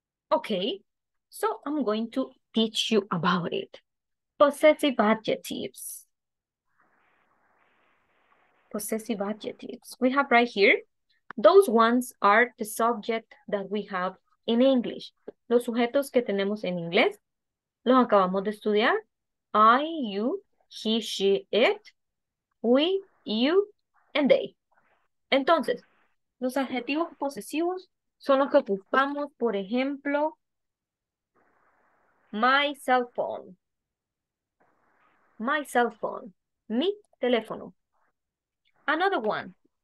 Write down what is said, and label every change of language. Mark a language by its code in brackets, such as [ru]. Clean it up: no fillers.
[en] Okay, so I'm going to teach you about it. Possessive adjectives. Possessive adjectives. We have right here, those ones are the subject that we have in English. [es] Los sujetos que tenemos en inglés, los acabamos de estudiar. [en] I, you, he, she, it, we, you, and they. [es] Entonces, los adjetivos posesivos son los que ocupamos, por ejemplo, [en] my cell phone. My cell phone. [es] Mi teléfono. [en] Another one.